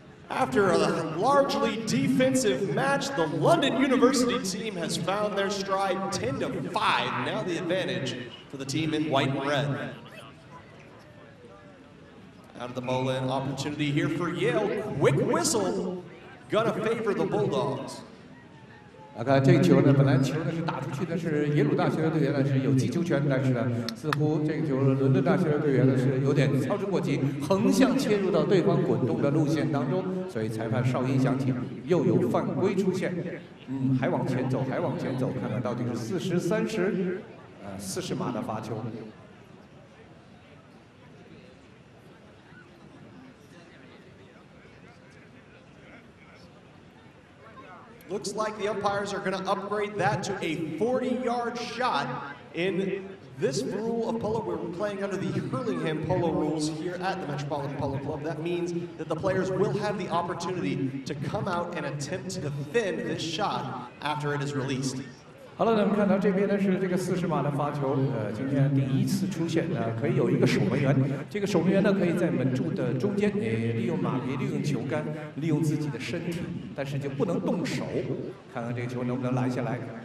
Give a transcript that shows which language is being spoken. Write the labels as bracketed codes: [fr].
[en] After a largely defensive match, the London University team has found their stride 10-5. Now the advantage for the team in white and red. Out of the Molin, opportunity here for Yale. Quick whistle, gonna favor the Bulldogs. [zh] 啊，刚才这个球呢，本来球呢是打出去的，是耶鲁大学的队员呢是有击球权，但是呢，似乎这个球伦敦大学的队员呢是有点操之过急，横向切入到对方滚动的路线当中，所以裁判哨音响起，又有犯规出现。嗯，还往前走，还往前走，看看到底是40、30，40码的罚球。 [en] Looks like the umpires are going to upgrade that to a 40-yard shot in this rule of polo. We're playing under the Hurlingham polo rules here at the Metropolitan Polo Club. That means that the players will have the opportunity to come out and attempt to defend this shot after it is released. [zh] 好了，那我们看到这边呢是这个40码的发球，今天第一次出现的，可以有一个守门员，这个守门员呢可以在门柱的中间，利用马鞭，利用球杆，利用自己的身体，但是就不能动手，看看这个球能不能拦下来。